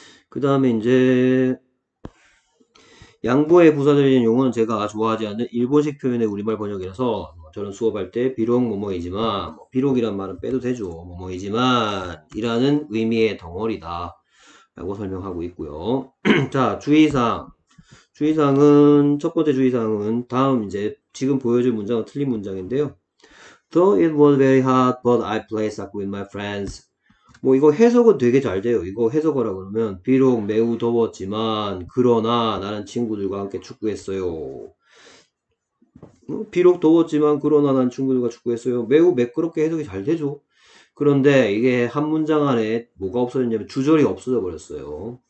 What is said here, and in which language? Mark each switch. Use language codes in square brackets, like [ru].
[ko] 그 다음에 이제 양보의 부사절인 용어는 제가 좋아하지 않는 일본식 표현의 우리말 번역이라서 저는 수업할 때 비록 뭐뭐이지만 뭐 비록이란 말은 빼도 되죠. 뭐뭐이지만 이라는 의미의 덩어리다 라고 설명하고 있고요. 자, 주의사항. 주의사항은 첫 번째 주의사항은 다음 이제 지금 보여줄 문장은 틀린 문장인데요. [en] Though it was very hot, but I played soccer with my friends. [ko] 뭐 이거 해석은 되게 잘 돼요. 이거 해석하라고 그러면 비록 매우 더웠지만 그러나 나는 친구들과 함께 축구했어요. 비록 더웠지만 그러나 난 친구들과 축구했어요. 매우 매끄럽게 해석이 잘 되죠. 그런데 이게 한 문장 안에 뭐가 없어졌냐면 주절이 없어져 버렸어요.